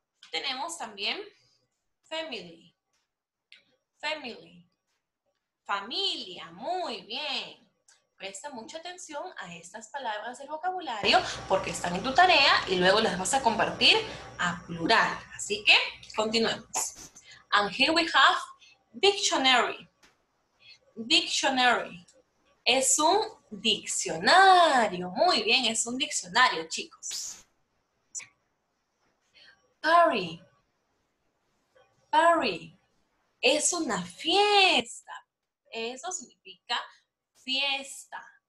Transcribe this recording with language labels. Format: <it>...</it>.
<es>Tenemos también family. Family. Familia. Muy bien. Presta mucha atención a estas palabras del vocabulario porque están en tu tarea y luego las vas a compartir a plural. Así que continuemos.</es> <en>And here we have dictionary.</en> <es>Dictionary. Es un diccionario. Muy bien, es un diccionario, chicos. Party. Party. Es una fiesta. Eso significa fiesta.</es>